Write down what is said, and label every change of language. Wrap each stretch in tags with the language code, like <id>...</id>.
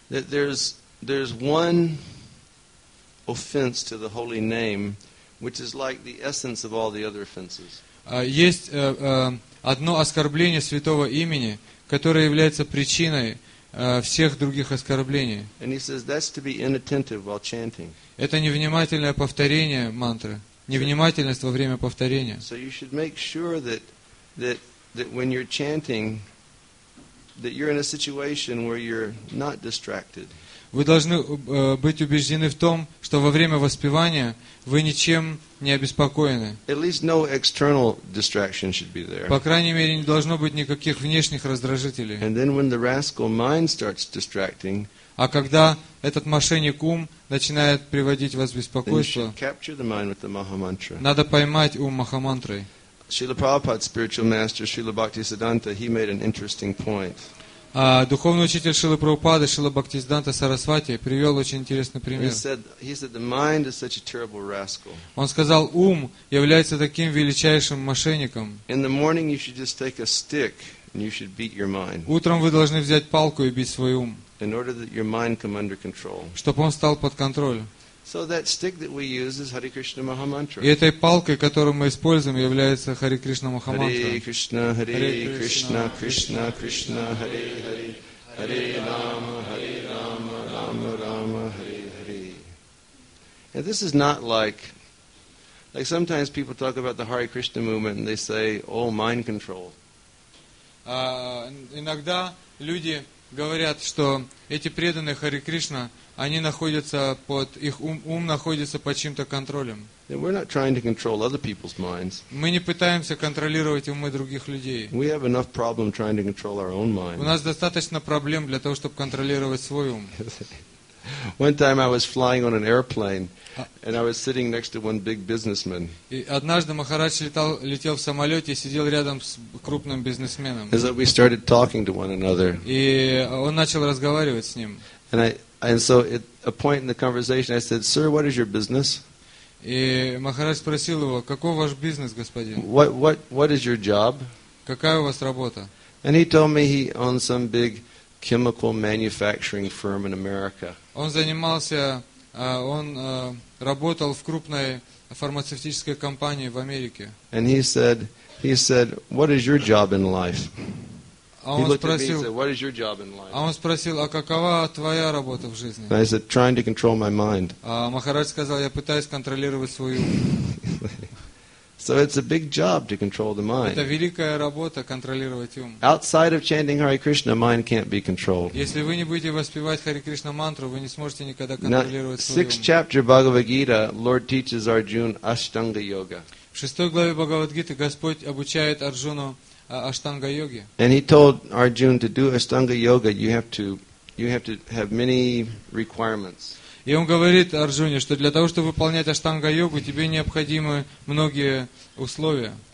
<en>that there's one offense to the holy name, which is like the essence of all the other offenses.</en> <ru>Есть одно оскорбление святого имени, которое является причиной всех других оскорблений.</ru> <en>And he says that's to be inattentive while chanting.</en> <ru>Это невнимательное повторение мантры, невнимательность во время повторения.</ru> <en>So you should make sure that when you're chanting, that you're in a situation where you're not distracted.</en> <ru>Вы должны быть убеждены в том, что во время воспевания вы ничем не обеспокоены.</ru> <en>At least no external distraction should be there.</en> <ru>По крайней мере, не должно быть никаких внешних раздражителей.</ru> <en>And then when the rascal mind starts distracting,</en> <ru>а когда этот мошенник ум начинает приводить вас в беспокойство,</ru> <en>then you should capture the mind with the maha mantra.</en> <ru>Надо поймать ум махамантрой.</ru> <en>Srila Prabhupada's spiritual master, Srila Bhaktisiddhanta, he made an interesting point.</en> <ru>Духовный учитель Шрилы Прабхупады, Шрила Бхактисиддханта Сарасвати, привел очень интересный пример.</ru> <en>He said, the mind is such a terrible rascal.</en> <ru>Он сказал, ум является таким величайшим мошенником.</ru> <en>In the morning you should just take a stick and you should beat your mind.</en> <ru>Утром вы должны взять палку и бить свой ум.</ru> <en>In order that your mind come under control.</en> <ru>Чтобы он стал под контроль.</ru> <en>So that stick that we use is Hare Krishna Maha Mantra.</en> <ru>И этой палкой, которую мы используем, является Hare Krishna Maha Mantra.</ru> <sa>Hare Krishna, Hare Krishna, Krishna Krishna, Hare Hare, Hare Rama, Hare Rama, Rama Rama, Hare Hare.</sa> <en>And this is not like sometimes people talk about the Hare Krishna movement and they say, "Oh, mind control."</en> <ru>Иногда люди говорят, что эти преданные Хари Кришна, они находятся под их ум находится под чьим-то контролем.</ru> <en>And we're not trying to control other people's minds.</en> <ru>Мы не пытаемся контролировать умы других людей.</ru> <en>We have enough problem trying to control our own mind.</en> <ru>У нас достаточно проблем для того, чтобы контролировать свой ум.</ru> <en>One time I was flying on an airplane, and I was sitting next to one big businessman.</en> <ru>И однажды Махарадж летел в самолете и сидел рядом с крупным бизнесменом.</ru> <en>As we started talking to one another.</en> <ru>И он начал разговаривать с ним.</ru> <en>And so at a point in the conversation, I said, "Sir, what is your business?"</en> <ru>И Махарадж спросил его, "Каков ваш бизнес, господин?"</ru> <en>What is your job?</en> <ru>Какая у вас работа?</ru> <en>And he told me he owns some big chemical manufacturing firm in America.</en> <ru>Он занимался, он работал в крупной фармацевтической компании в Америке.</ru> <en>And he said, "What is your job in life?"</en> <ru>А он спросил, а какова твоя работа в жизни?</ru> <en>And I said, "Trying to control my mind."</en> <ru>А Махарадж сказал, я пытаюсь контролировать свой ум.</ru> <en>So it's a big job to control the mind.</en> <ru>Это великая работа контролировать ум.</ru> <en>Outside of chanting Hare Krishna, mind can't be controlled.</en> <ru>Если вы не будете воспевать Хари Кришна мантру, вы не сможете никогда контролировать свой ум.</ru> <en>Sixth chapter Bhagavad Gita, Lord teaches Arjuna Ashtanga Yoga.</en> <ru>В шестой главе Бхагавад Гиты Господь обучает Арджуну Ashtanga Yoga.</ru> <en>And he told Arjuna to do Ashtanga Yoga, you have to have many requirements.</en> <ru>И он говорит Арджуне, что для того, чтобы выполнять аштанга-йогу, тебе необходимы многие условия.</ru>